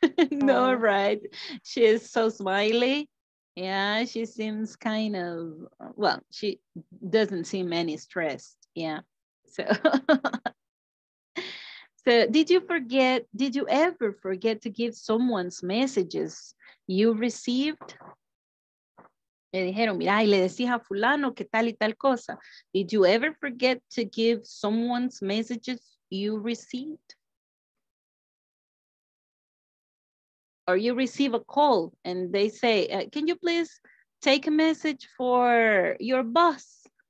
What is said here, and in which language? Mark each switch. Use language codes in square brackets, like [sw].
[en] No, right? She is so smiley. Yeah, she seems kind of, well, she doesn't seem any stressed. Yeah. So, did you ever forget to give someone's messages you received? [es] Me dijeron, mira, y le decía a fulano que tal y tal cosa. [en] Did you ever forget to give someone's messages you received? or you receive a call and they say, can you please take a message for your boss?